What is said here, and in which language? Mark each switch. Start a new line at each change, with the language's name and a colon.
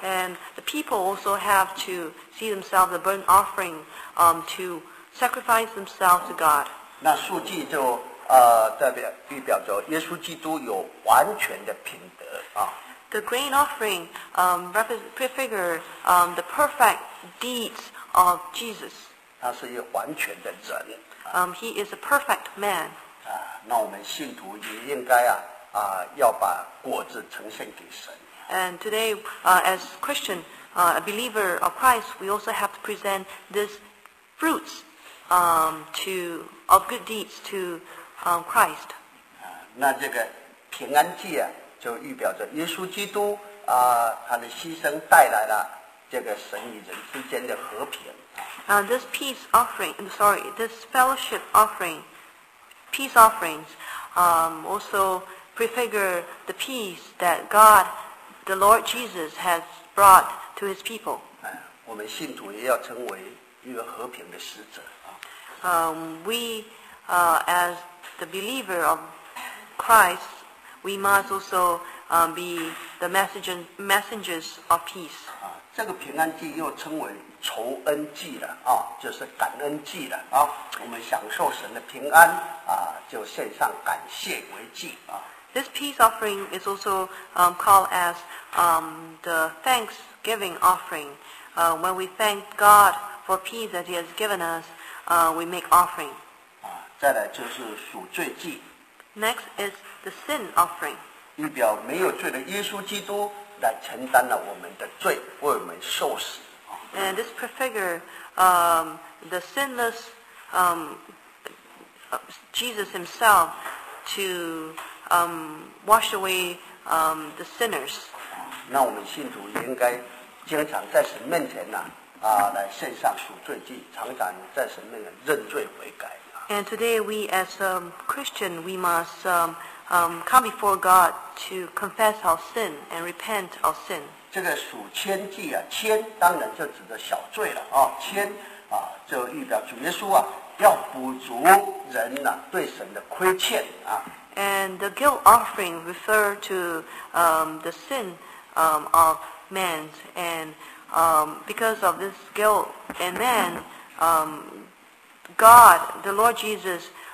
English: And the people also have to see themselves a burnt offering to sacrifice themselves to God.
Chinese: 那素祭就代表着耶稣基督有完全的品德啊。
English: The grain offering prefigure the perfect deeds of Jesus.
Chinese: 他是一完全的人。
English: He is a perfect man.
Chinese: 那我们信徒也应该要把果子呈现给神。
English: And today, as Christian, a believer of Christ, we also have to present these fruits of good deeds to Christ.
Chinese: 那这个平安祭啊，就预表着耶稣基督他的牺牲带来了这个神与人之间的和平。
English: This peace offering, sorry, this fellowship offering, peace offerings, also prefigure the peace that God, the Lord Jesus, has brought to His people.
Chinese: 我们信徒也要成为一个和平的使者。
English: As the believer of Christ, we must also be the messengers of peace.
Chinese: 这个平安祭又称为酬恩祭了啊，就是感恩祭了啊。我们享受神的平安啊，就献上感谢为祭啊。
English: This peace offering is also called as the thanksgiving offering. When we thank God for peace that He has given us, we make offering.
Chinese: 再来就是赎罪祭。
English: Next is the sin offering.
Chinese: 预表没有罪的耶稣基督来承担了我们的罪，为我们受死。
English: And this prefigure the sinless Jesus himself to wash away the sinners.
Chinese: 那我们信徒应该经常在神面前呢、来献上赎罪祭，常常在神面前认罪悔改。
English: And today we as a Christian we must come before God to confess our sin and repent our sin.
Chinese: 这个赎愆祭啊，愆当然就指的小罪了啊，愆啊就预表主耶稣啊要补足人呐、对神的亏欠啊。
English: And the guilt offering refer to the sin of man and because of this guilt in man God, the Lord Jesus,